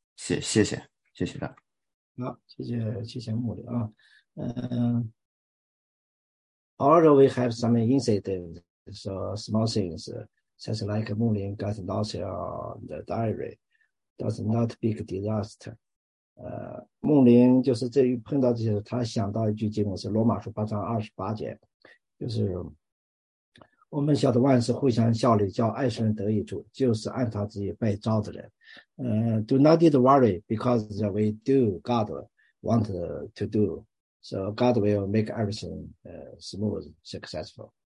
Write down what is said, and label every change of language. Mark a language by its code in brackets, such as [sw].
[zh] 谢谢大家。好，谢谢牧师。 [en] Although we have some incidents, so small things such like 牧林 got lost on the diary does not big disaster。 [zh] 牧林就是这一碰到这些，他想到一句经文是罗马书8:28，就是我们晓得万事互相效力，叫爱神得益处，就是按他自己被召的人。 [en] Do not need to worry because we do God want to do, so God will make everything smooth, successful.